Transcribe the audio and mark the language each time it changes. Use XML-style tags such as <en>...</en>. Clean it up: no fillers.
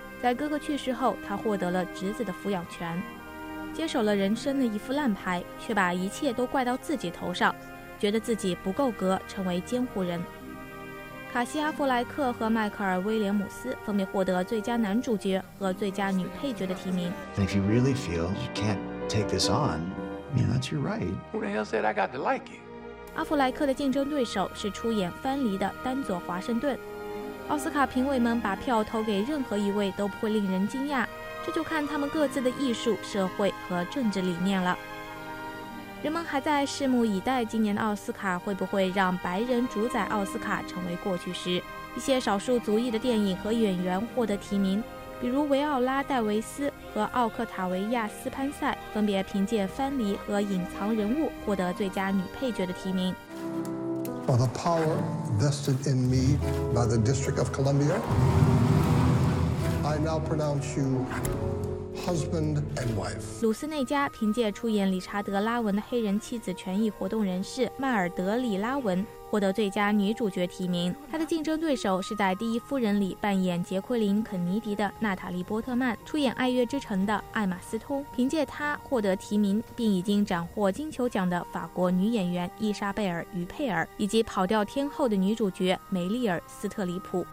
<zh>在哥哥去世后，他获得了侄子的抚养权，接手了人生的一副烂牌，却把一切都怪到自己头上，觉得自己不够格成为监护人。卡西·阿弗莱克和迈克尔·威廉姆斯分别获得最佳男主角和最佳女配角的提名。</zh> <en>And if you really feel you can't take this on, you know, that's your right. Who the hell said I got to like it?</en> <zh>阿弗莱克的竞争对手是出演《藩篱》的丹佐·华盛顿。奥斯卡评委们把票投给任何一位都不会令人惊讶，这就看他们各自的艺术、社会和政治理念了。人们还在拭目以待今年的奥斯卡会不会让白人主宰奥斯卡成为过去时，一些少数族裔的电影和演员获得提名，比如维奥拉·戴维斯和奥克塔维亚·斯潘塞分别凭借《藩篱》和《隐藏人物》获得最佳女配角的提名。</zh> <en>By the power vested in me by the District of Columbia, I now pronounce you husband and wife.</en> <zh>鲁斯内加凭借出演理查德·拉文的黑人妻子权益活动人士迈尔德里·拉文获得最佳女主角提名。她的竞争对手是在《第一夫人》里扮演杰奎琳·肯尼迪的娜塔莉·波特曼，出演《爱乐之城》的艾玛·斯通，凭借她获得提名并已经斩获金球奖的法国女演员伊莎贝尔·于佩尔，以及跑调天后的女主角梅丽尔·斯特里普。</zh>